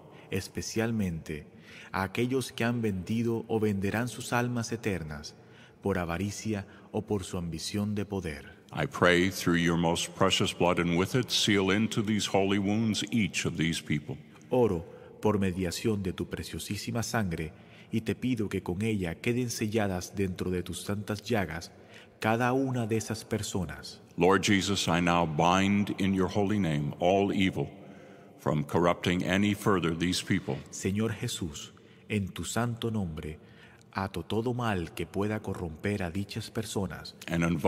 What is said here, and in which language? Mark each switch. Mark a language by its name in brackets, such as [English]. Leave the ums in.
[Spanish] Especialmente a aquellos que han vendido o venderán sus almas eternas por avaricia o por su ambición de poder. [English] I pray through your most precious blood and with it seal into these holy wounds each of these people. [Spanish] Oro por mediación de tu preciosísima sangre y te pido que con ella queden selladas dentro de tus santas llagas cada una de esas personas. [English] Lord Jesus, I now bind in your holy name all evil from corrupting any further these people. [Spanish] Señor Jesús, en tu santo nombre, ato todo mal que pueda corromper a dichas personas. [English] And